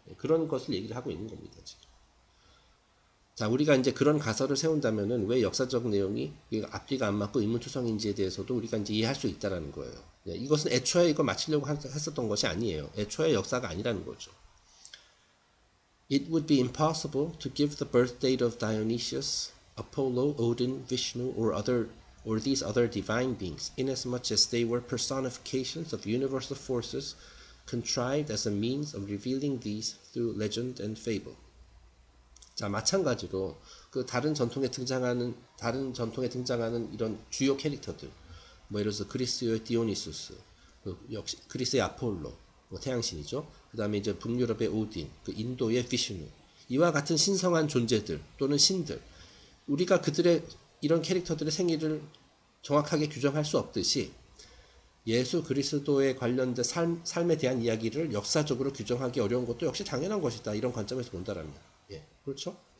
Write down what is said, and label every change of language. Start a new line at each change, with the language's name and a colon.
Korean: 그런 것을 얘기를 하고 있는 겁니다 지금. 자, 우리가 이제 그런 가설을 세운다면은 왜 역사적 내용이 앞뒤가 안 맞고 의문투성인지에 대해서도 우리가 이제 이해할 수 있다라는 거예요. 이것은 애초에 이거 맞추려고 했었던 것이 아니에요. 애초에 역사가 아니라는 거죠.
English: It would be impossible to give the birth date of Dionysius, Apollo, Odin, Vishnu, or these other divine beings, inasmuch as they were personifications of universal forces contrived as a means of revealing these through legend and fable.
Korean: 자, 마찬가지로 그 다른 전통에 등장하는 이런 주요 캐릭터들, 뭐 예를 들어서 그리스의 디오니수스, 그 역시 그리스의 아폴로, 뭐 태양신이죠. 그 다음에 이제 북유럽의 오딘, 그 인도의 비슈누, 이와 같은 신성한 존재들 또는 신들, 우리가 그들의 이런 캐릭터들의 생일을 정확하게 규정할 수 없듯이 예수 그리스도에 관련된 삶에 대한 이야기를 역사적으로 규정하기 어려운 것도 역시 당연한 것이다. 이런 관점에서 본다라면. 예, 그렇죠?